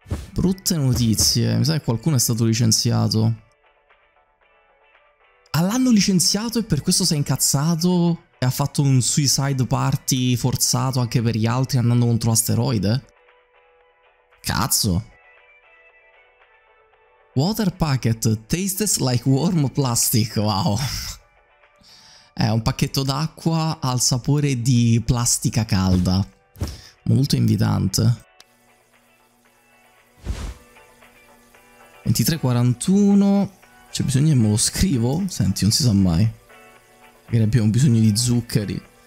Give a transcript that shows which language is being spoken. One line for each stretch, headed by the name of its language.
Italian: Brutte notizie, mi sa che qualcuno è stato licenziato. L'hanno licenziato e per questo si è incazzato e ha fatto un suicide party forzato anche per gli altri andando contro l'asteroide? Cazzo.
English: Water packet tastes like warm plastic, wow.
Italian: È un pacchetto d'acqua al sapore di plastica calda. Molto invitante. 23:41. C'è bisogno che me lo scrivo? Senti, non si sa mai. Magari abbiamo bisogno di zuccheri.